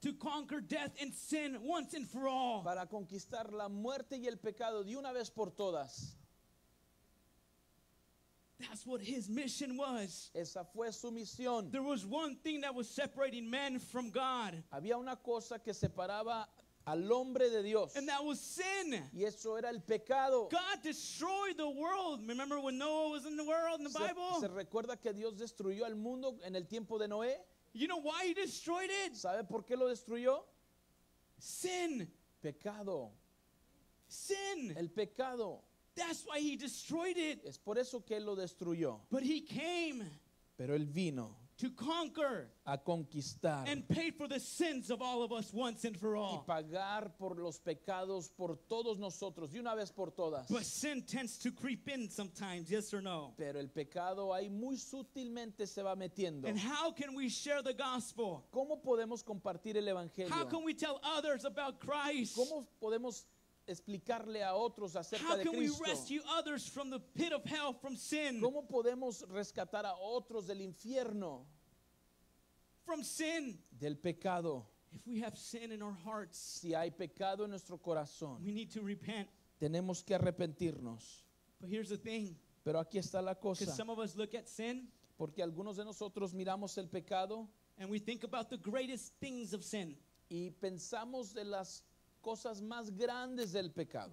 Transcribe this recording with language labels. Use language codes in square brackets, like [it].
[en] To conquer death and sin once and for all. [es] Para conquistar la muerte y el pecado de una vez por todas. [en] That's what his mission was. [es] Esa fue su misión. [en] There was one thing that was separating man from God. [es] Había una cosa que separaba al hombre de Dios. [en] And that was sin. [es] Y eso era el pecado. [en] God destroyed the world. Remember when Noah was in the world in the Bible? [es] ¿Se recuerda que Dios destruyó al mundo en el tiempo de Noé? [en] You know why he destroyed it? [es] ¿Sabe por qué lo destruyó? [en] Sin. [es] Pecado. [en] Sin. [es] El pecado. [en] That's why he destroyed it. [es] Es por eso que él lo destruyó. [en] But he came. [es] Pero él vino. [en] To conquer. [es] A conquistar. [en] And pay for the sins of all of us once and for all. [es] Y pagar por los pecados por todos nosotros de una vez por todas. [en] But sin tends to creep in sometimes, yes or no? [es] Pero el pecado ahí muy sutilmente se va metiendo. [en] And how can we share the gospel? [es] ¿Cómo podemos compartir el evangelio? [en] How can we tell others about Christ? [es] ¿Cómo podemos explicarle a otros acerca [en] How [es] de Cristo? [en] How can we rescue others from the pit of hell, from sin? [es] ¿Cómo podemos rescatar a otros del infierno? [en] From sin. [es] Del pecado. [en] If we have sin in our hearts, [es] si hay pecado en nuestro corazón, [en] we need to repent. [es] Tenemos que arrepentirnos. [en] But here's the thing. [es] Pero aquí está la cosa. [en] Some of us look at sin, [es] porque algunos de nosotros miramos el pecado, [en] and we think about the greatest things of sin. [es] Y pensamos de las cosas más grandes del pecado.